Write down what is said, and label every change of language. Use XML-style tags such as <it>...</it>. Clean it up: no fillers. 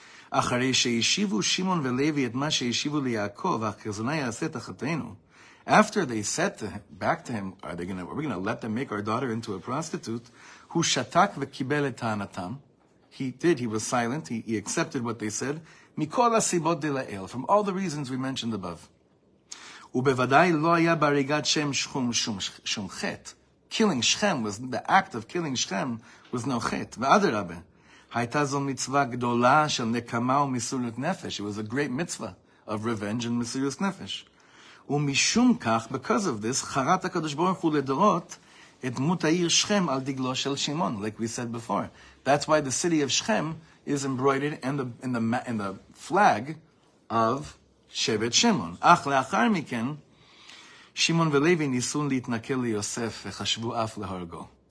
<he>אחרי שישיבו שמעון ולוי את מה שישיבו ליעקב, והחזונה יעשה את אחתנו.</he> <en>After they said to him, back to him, are we gonna let them make our daughter into a prostitute?</en> <he>הוא שתק וקיבל את טענתם.</he> <en>He did, he was silent, he accepted what they said.</en> <he>מכל הסיבות דלאל,</he> <en>from all the reasons we mentioned above.</en> <he>ובוודאי לא היה בהריגת שם שום, שום, שום חטא.</he> <en>Killing שכם, was the act of killing שכם was no חטא.</en> <he>ואדרבה. הייתה זו מצווה גדולה של נקמה ומסירות נפש.</he> <en>It was a great mitzvah of revenge and מסירות נפש.</en> <he>ומשום כך,</he> <en>because of this,</en> <he>חרת הקדוש ברוך הוא לדורות את דמות העיר שכם על דגלו של שמעון,</he> <en>like we said before. That's why the city of שכם is embroidered in the flag of שבט שמעון.</en> <he>אך לאחר מכן, שמעון ולוי ניסו להתנכל ליוסף וחשבו אף להורגו.</he>